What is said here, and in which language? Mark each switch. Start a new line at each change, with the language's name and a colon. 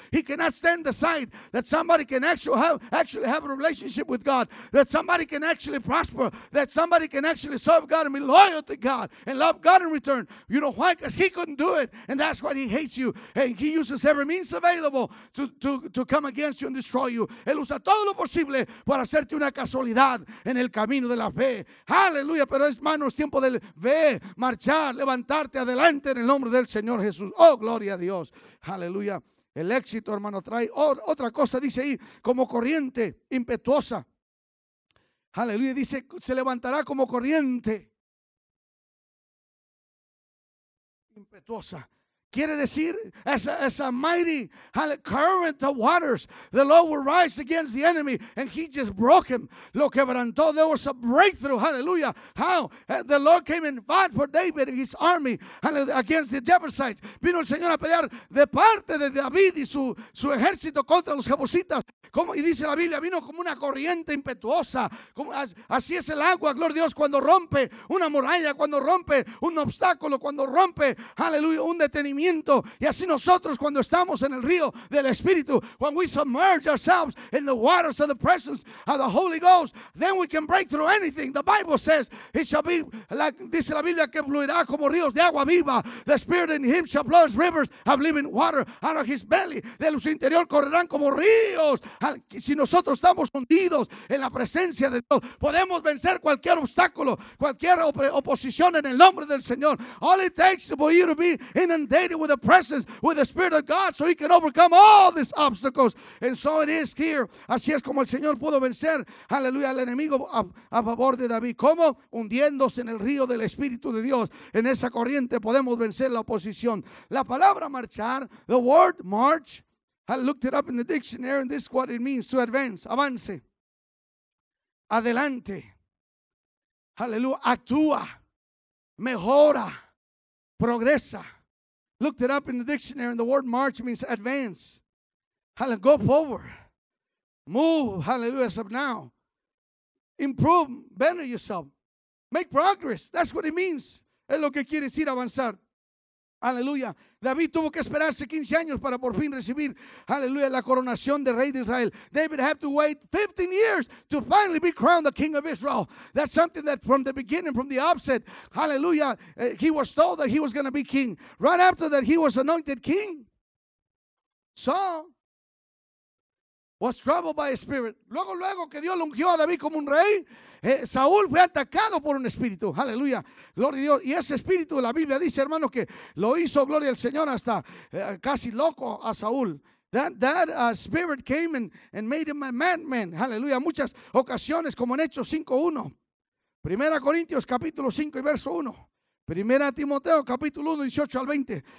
English: He cannot stand the sight that somebody can actually have a relationship with God, that somebody can actually prosper, that somebody can actually serve God and be loyal to God and love God in return. You know why? Because he couldn't do it, and that's why he hates you. And he uses every means available to come against you and destroy you.
Spanish: Él usa todo lo posible para hacerte una casualidad en el camino de la fe. Aleluya, pero hermano, es tiempo de ver, marchar, levantarte adelante en el nombre del Señor Jesús. Oh, gloria a Dios. Aleluya. El éxito, hermano, trae otra cosa, dice ahí, como corriente impetuosa. Aleluya, dice, se levantará como corriente impetuosa. Quiere decir,
English: as a mighty current of waters, the Lord will rise against the enemy, and he just broke him.
Spanish: Lo quebrantó.
English: There was a breakthrough. Hallelujah. How? The Lord came and fought for David and his army against the Jebusites.
Spanish: Vino el Señor a pelear de parte de David y su ejército contra los jebusitas. Como, y dice la Biblia, vino como una corriente impetuosa. Como, así es el agua, gloria a Dios, cuando rompe una muralla, cuando rompe un obstáculo, cuando rompe, aleluya, un detenimiento. Y así nosotros, cuando estamos en el río del Espíritu,
English: when we submerge ourselves in the waters of the presence of the Holy Ghost, then we can break through anything. The Bible says it shall be like,
Spanish: dice la Biblia, que fluirá como ríos de agua viva.
English: The Spirit in him shall flow as rivers of living water out of his belly.
Spanish: De su interior correrán como ríos. Si nosotros estamos hundidos en la presencia de Dios, podemos vencer cualquier obstáculo, cualquier oposición en el nombre del Señor.
English: All it takes for you to be in and dated with the presence, with the Spirit of God, so he can overcome all these obstacles. And so it is here.
Spanish: Así es como el Señor pudo vencer, aleluya, al enemigo a favor de David. ¿Cómo? Hundiéndose en el río del Espíritu de Dios. En esa corriente podemos vencer la oposición. La palabra marchar,
English: the word march, I looked it up in the dictionary, and this is what it means: to advance,
Spanish: avance, adelante,
English: hallelujah,
Spanish: actúa, mejora, progresa.
English: Looked it up in the dictionary, and the word march means advance, hallelujah, go forward, move, hallelujah, as of now, improve, better yourself, make progress. That's what it means.
Spanish: Es lo que quiere decir avanzar. Aleluya. David tuvo que esperarse 15 años para por fin recibir, aleluya, la coronación del rey de Israel.
English: David had to wait 15 years to finally be crowned the king of Israel. That's something that from the beginning, from the outset, aleluya, he was told that he was going to be king. Right after that, he was anointed king. Saul was troubled by a spirit.
Spanish: Luego que Dios ungió a David como un rey, Saúl fue atacado por un espíritu. Aleluya. Gloria a Dios. Y ese espíritu, la Biblia dice, hermano, que lo hizo, gloria al Señor, hasta casi loco a Saúl.
English: That spirit came and made him a madman. Aleluya.
Spanish: Muchas ocasiones, como en Hechos 5:1. Primera Corintios capítulo 5 y verso 1. Primera Timoteo capítulo 1, 18 al 20.